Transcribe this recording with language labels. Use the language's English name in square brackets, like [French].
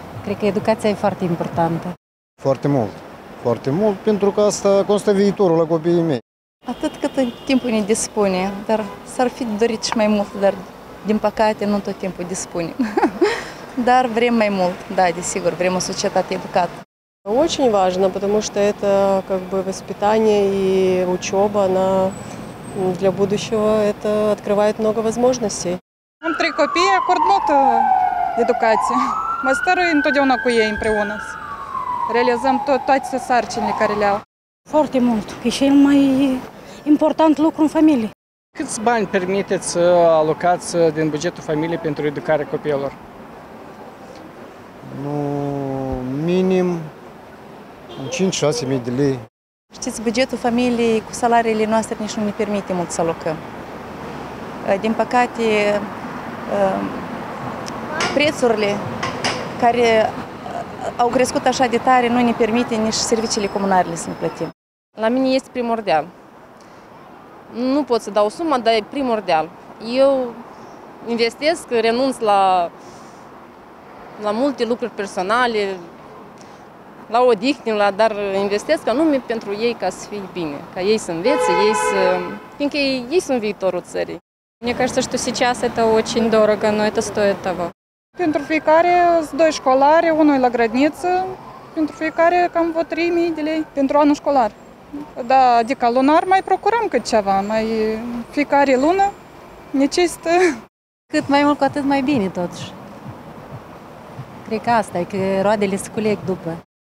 [Romanian] Cred că educația e foarte importantă. Foarte mult, foarte mult, pentru că asta constă viitorul la copiii mei. Atât cât timpul ne dispune, dar s-ar fi dorit și mai mult, dar din păcate nu tot timpul dispunem. Dar vrem mai mult, da, desigur, vrem o societate educată. [Russian] Очень важно, потому что это как бы воспитание и учеба, она для будущего это открывает много возможностей. [Romanian] Am 3 copii, acord multă educație. Mă stărui întotdeauna cu ei împreună. Realizăm toate sarcinile care le-au. Foarte mult, că e cel mai important lucru în familie. Câți bani permiteți să alocați din bugetul familiei pentru educarea copiilor? Nu, minim 5-6 mii de lei. Știți, bugetul familiei cu salariile noastre nici nu ne permite mult să alocăm. Din păcate, prețurile care au crescut așa de tare nu ne permite nici serviciile comunale să ne plătim. La mine este primordial. Nu pot să dau suma, dar e primordial. Eu investesc, renunț la multe lucruri personale, la odihnă, dar investesc anume pentru ei ca să fie bine, ca ei să învețe, fiindcă ei sunt viitorul țării. [Russian] Мне кажется, что сейчас это очень дорого, но это стоит того. [Romanian] Pentru fiecare sunt 2 școlari, unul la grădiniță, pentru fiecare cam vreo 3.000 de lei pentru anul școlar. Da, adică lunar mai procurăm cât ceva, mai fiecare lună necesită. Cât mai mult, cu atât mai bine totuși. Cred că asta e, că roadele se culeg după.